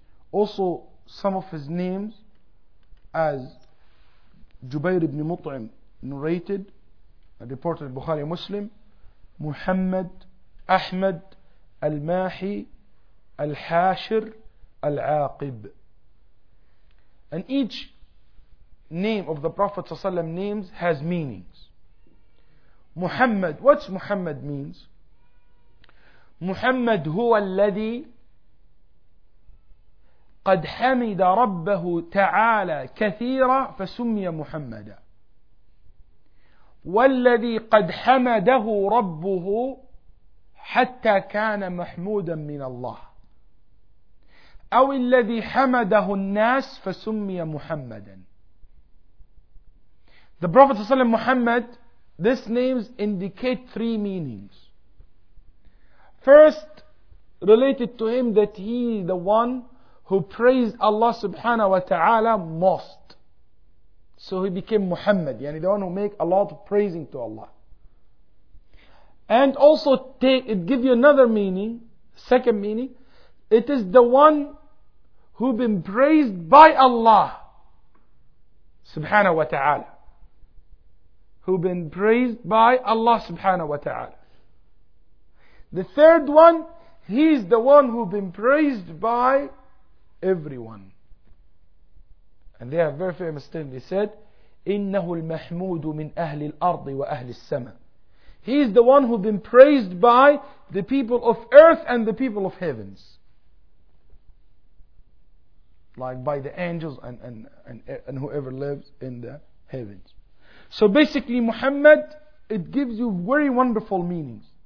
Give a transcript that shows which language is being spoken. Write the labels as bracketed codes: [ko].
[en] Also some of his names, as Jubair ibn Mut'im narrated and reported in Bukhari Muslim, Muhammad, Ahmed, Al-Mahi, Al-Hashir, Al-Aqib. And each name of the Prophet ﷺ names has meanings. Muhammad, what's Muhammad means? [ar] Muhammad هو الذي قد حمد ربه تعالى كثيرا فسمي محمدا والذي قد حمده ربه حتى كان محمودا من الله أو الذي حمده الناس فسمي محمدا. [en] The Prophet صلى الله عليه وسلم Muhammad, this names indicate 3 meanings. First, related to him that he the one who praised Allah subhanahu wa ta'ala most. So he became Muhammad, yani the one who make a lot of praising to Allah. And also it gives you another meaning, second meaning, it is the one who been praised by Allah subhanahu wa ta'ala. Who been praised by Allah subhanahu wa ta'ala. The third one, He is the one who has been praised by everyone. And they have a very famous statement. They said, [ar] إِنَّهُ الْمَحْمُودُ مِنْ أَهْلِ الْأَرْضِ وَأَهْلِ السَّمَاءِ. [en] He is the one who has been praised by the people of earth and the people of heavens. Like by the angels and whoever lives in the heavens. So basically Muhammad, it gives you very wonderful meanings.